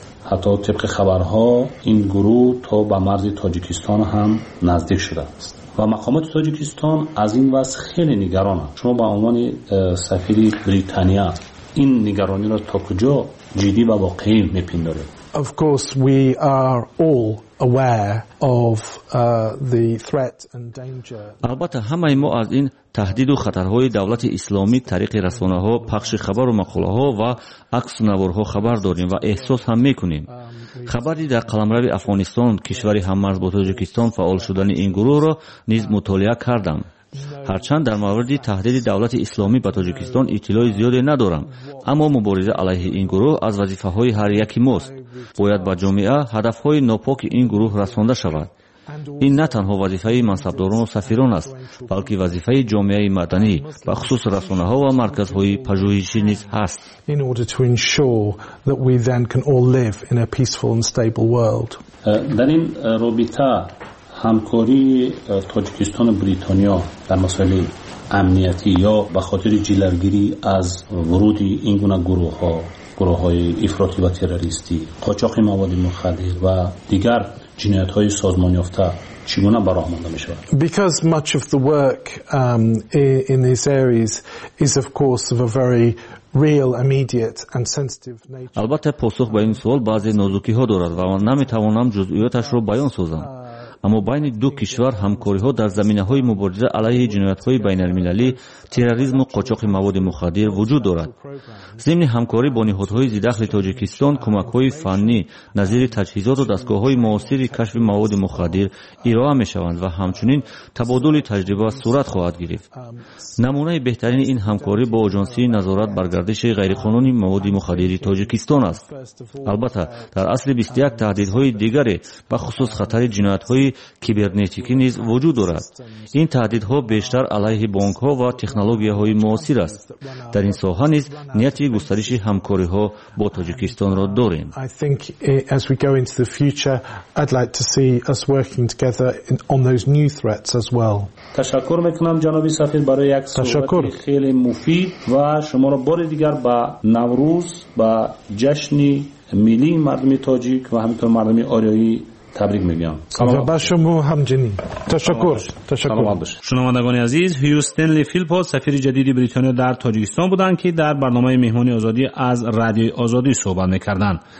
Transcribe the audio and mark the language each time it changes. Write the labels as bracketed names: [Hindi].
[Persian] حتی طبق خبرها این گروه تا به مرز تاجیکستان هم نزدیک شده است و مقامات تاجیکستان از این وضع خیلی نگران هست. شما با عنوان سفیر بریتانیا این نگرانی را تا کجا جدی و واقعی می پندارید؟ [English] Of course we are all aware of the threat and danger. [Persian] البته همه ما از این تهدید و خطرهای دولت اسلامی طریق رسانه‌ها، پخش خبر و مقاله‌ها و عکس نوارها خبر داریم و احساس هم میکنیم. خبری در قلمرو افغانستان، کشوری هممرز با تاجیکستان فعال شدن این گروه را نیز مطالعه کردم. هرچند در مورد تهدید دولت اسلامی به تاجیکستان اطلاع زیادی ندارم، اما مبارزه علیه این گروه از وظیفه های هر یکی ماست. باید به جامعه هدف های ناپاک این گروه رسانده شود. این نه تنها وظیفه منصبداران و سفیران است، بلکه وظیفه جامعه مدنی و خصوص رسانه ها و مرکز های پژوهشی نیز هست. [English] In order to ensure that we then can all live in a peaceful and stable world. [Persian] در این رابطه همکاری تاجیکستان و بریتانیا در مسائل امنیتی یا به خاطر جلوگیری از ورود این گونه گروه های افراطی و تروریستی، قاچاق مواد مخدر و دیگر جنایت های سازمان یافته چگونه براه مانده می شود؟ [English] Because much of the work in these areas is of course of a very real immediate and sensitive nature. [Persian] البته پاسخ به این سوال بعضی نازکی ها دارد و من نمی توانم جزئیاتش را بیان سازم، اما بین دو کشور همکاری ها در زمینه های مبارزه علیه جنایت های بین المللی، تروریسم و قاچاق مواد مخدر وجود دارد. ضمن همکاری با نهادهای ضداخل تاجیکستان، کمک های فنی نظیر تجهیزات و دستگاه های معاصر کشف مواد مخدر ارائه می شوند و همچنین تبادل تجربه صورت خواهد گرفت. نمونه بهترین این همکاری با آژانسی نظارت بر گردش غیرقانونی مواد مخدر تاجیکستان است. البته در اصل 21 تهدیدهای دیگری به خصوص خطر جنایت های کیبرنتیکی نیز وجود دارد. این تهدیدها بیشتر علیه بانک ها و تکنولوژی های معاصر است. در این ساحه نیز نیت گسترش همکاری ها با تاجیکستان را داریم. [English] I think as we go into the future I'd like to see us working together on those new threats as well. [Persian] تشکر میکنم جناب سفیر برای یک صحبت خیلی مفید و شما را بار دیگر با نوروز با جشن ملی مردم تاجیک و همینطور مردم آریایی تبریک میگم. سلام به شما همچنین. تشکر. شنوندگان عزیز، هیوستنلی فیلپس سفیر جدید بریتانیا در تاجیکستان بودند که در برنامه مهمانی آزادی از رادیو آزادی صحبت میکردند.